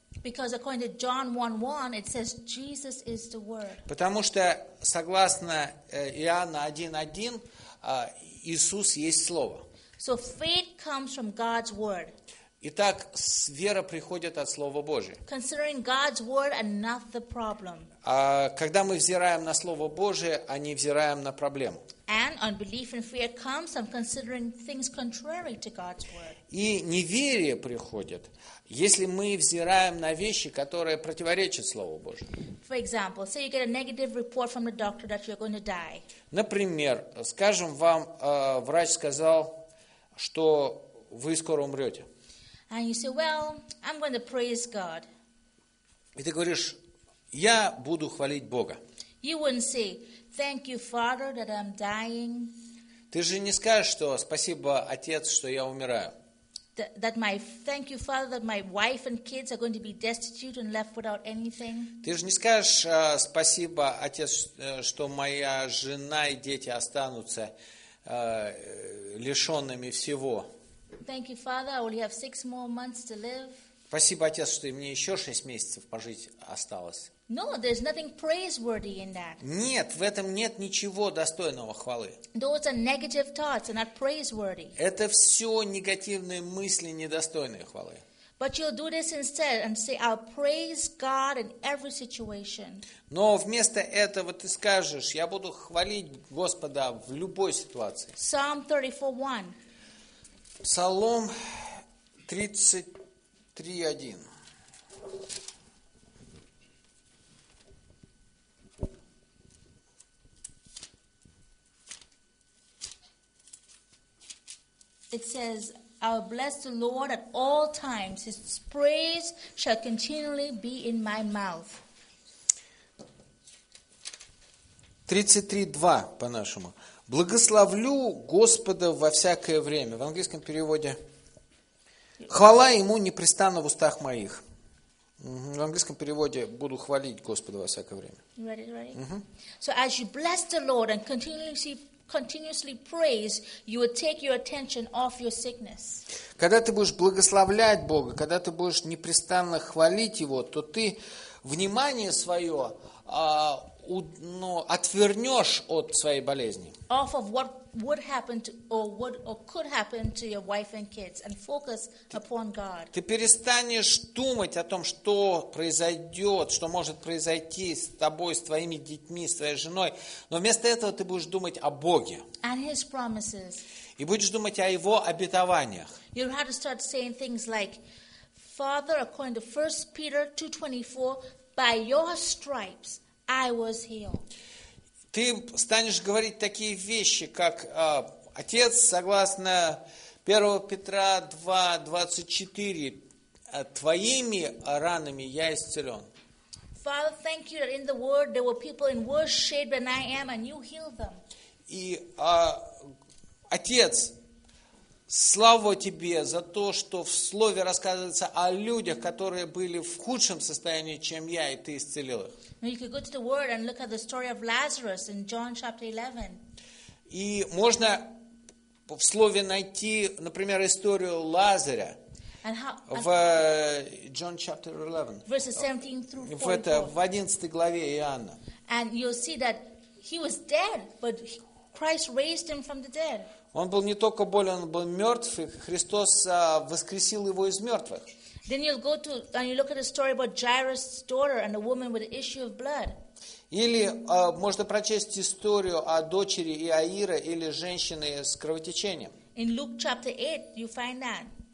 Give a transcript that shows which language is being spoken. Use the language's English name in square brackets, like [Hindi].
[English] Because according to John 1:1, it says Jesus is the Word. [Russian] Потому что согласно Иоанна 1:1, Иисус есть Слово. [English] So faith comes from God's word. [Russian] Итак, вера приходит от Слова Божия. [English] Considering God's word and not the problem. [Russian] Когда мы взираем на Слово Божие, а не взираем на проблему. [English] And unbelief and fear comes from considering things contrary to God's word. [Russian] И неверие приходит, если мы взираем на вещи, которые противоречат Слову Божию. [English] For example, say you get a negative report from the doctor that you're going to die. [Russian] Например, скажем вам, врач сказал, что вы скоро умрете. [English] And you say, well, I'm going to praise God. [Russian] И ты говоришь, я буду хвалить Бога. [English] You wouldn't say, thank you, Father, that I'm dying. [Russian] Ты же не скажешь, что спасибо, Отец, что я умираю. [English] That my thank you, Father, that my wife and kids are going to be destitute and left without anything. [Russian] Ты же не скажешь спасибо, отец, что моя жена и дети останутся лишенными всего. [English] Thank you, Father, I only have 6 more months to live. [Russian] Спасибо, отец, что мне еще 6 месяцев пожить осталось. [English] No, there's nothing praiseworthy in that. [Russian] Нет, в этом нет ничего достойного хвалы. [English] Those are negative thoughts, they're not praiseworthy. [Russian] Это все негативные мысли, недостойные хвалы. [English] But you'll do this instead and say, I'll praise God in every situation. [Russian] Но вместо этого ты скажешь, я буду хвалить Господа в любой ситуации. [English] Psalm 34:1. [Russian] Псалом 33:1. [English] It says, I'll bless the Lord at all times. His praise shall continually be in my mouth. [Russian] 33:2 по-нашему. Благословлю Господа во всякое время. В английском переводе. Хвала Ему непрестанно в устах моих. В английском переводе буду хвалить Господа во всякое время. [English] Ready, ready? Uh-huh. So as you bless the Lord and continuously praise, you will take your attention off your sickness. [Russian] Когда ты будешь благословлять Бога, когда ты будешь непрестанно хвалить Его, то ты внимание свое ну, отвернешь от своей болезни. [English] Off of what would happen to, or would, or could happen to your wife and kids, and focus upon God. [Russian] Ты перестанешь думать о том, что произойдет, что может произойти с тобой, с твоими детьми, с твоей женой, но вместо этого ты будешь думать о Боге. [English] And His promises. [Russian] И будешь думать о Его обетованиях. [English] You have to start saying things like, Father, according to 1 Peter 2:24, by Your stripes I was healed. [Russian] Ты станешь говорить такие вещи, как «Отец, согласно 1 Петра 2:24, твоими ранами я исцелен». [English] Father, thank you that in the word there were people in worse shape than I am, and you healed them. [Russian] И «Отец, слава тебе за то, что в слове рассказывается о людях, которые были в худшем состоянии, чем я, и ты исцелил их». [English] You could go to the word and look at the story of Lazarus in John chapter 11. [Russian] И можно в слове найти, например, историю Лазаря в [English] John chapter 11. Verses 17 through 44. [Russian] В 11 главе Иоанна. [English] And you'll see that he was dead, but Christ raised him from the dead. [Russian] Он был не только болен, он был мертв, и Христос воскресил его из мертвых. [English] Then you'll go to and you look at a story about Jairus' daughter and the woman with the issue of blood. [Russian] Или можно прочесть историю о дочери Иаира или женщины с кровотечением. [English] In Luke chapter 8 you find that.